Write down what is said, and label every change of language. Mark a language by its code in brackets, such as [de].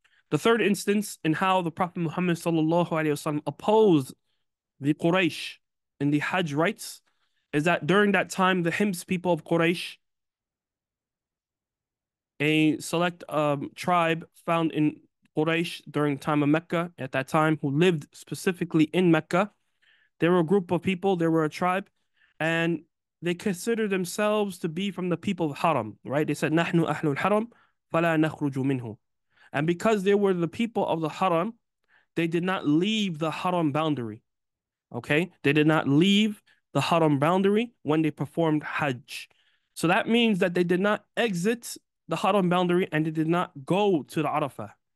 [en] The third instance in how the Prophet Muhammad sallallahu alaihi wasallam opposed the Quraysh in the Hajj rites is that during that time, the Hims people of Quraysh, a select tribe found in Quraysh during the time of Mecca at that time, who lived specifically in Mecca, they were a group of people, they were a tribe, and they considered themselves to be from the people of Haram, right? They said, [ar] نَحْنُ أَحْلُ الْحَرَمْ فَلَا نَخْرُجُ مِنْهُ. [en] And because they were the people of the Haram, they did not leave the Haram boundary, okay? They did not leave the Haram boundary when they performed Hajj. So that means that they did not exit the Haram boundary and they did not go to the Arafah.